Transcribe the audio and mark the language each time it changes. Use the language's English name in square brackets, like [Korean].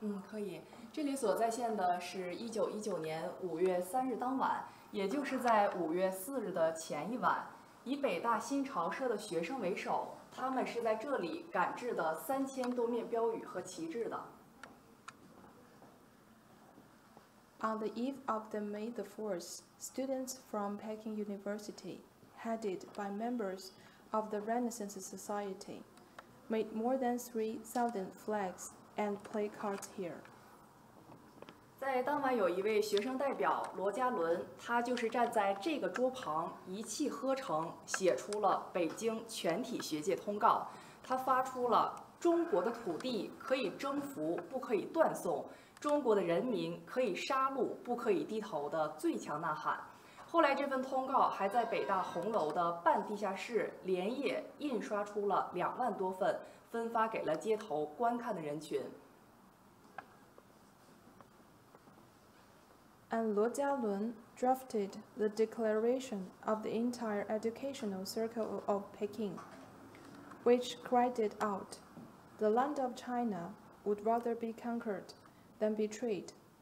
[Chinese] 可以，这里所在现的是1919年5月3日当晚， 也就是在5月4日的前一晚， 以北大新潮社的学生为首， 他们是在这里赶制的3000多面标语和旗帜的。 [English] On the eve of the May the 4th, students from Peking University, headed by members of the Renaissance Society, made more than 3,000 flags and placards here. [Chinese] 在当晚有一位学生代表罗家伦，他就是站在这个桌旁一气呵成，写出了北京全体学界通告。他发出了中国的土地可以征服，不可以断送；中国的人民可以杀戮，不可以低头的最强呐喊。后来这份通告还在北大红楼的半地下室连夜印刷出了20000多份，分发给了街头观看的人群。 [English] And 罗家伦 drafted the declaration of the entire educational circle of Peking, which cried out, "The land of China would rather be conquered than betrayed.